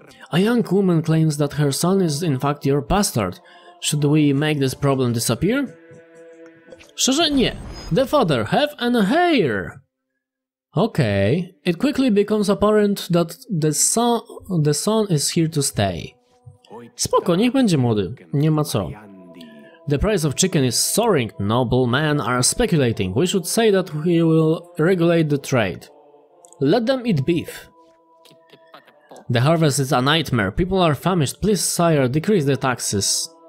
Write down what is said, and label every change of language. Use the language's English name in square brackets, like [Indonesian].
[English] A young woman claims that her son is in fact your bastard. Should we make this problem disappear? [Polish] Szczerze nie. [English] The father have an heir. Okay, it quickly becomes apparent that the son is here to stay. [Polish] Spoko, niech będzie młody, nie ma co. [English] The price of chicken is soaring, noble men are speculating. We should say that he will regulate the trade. Let them eat beef. The harvest is a nightmare, people are famished, please sire, decrease the taxes.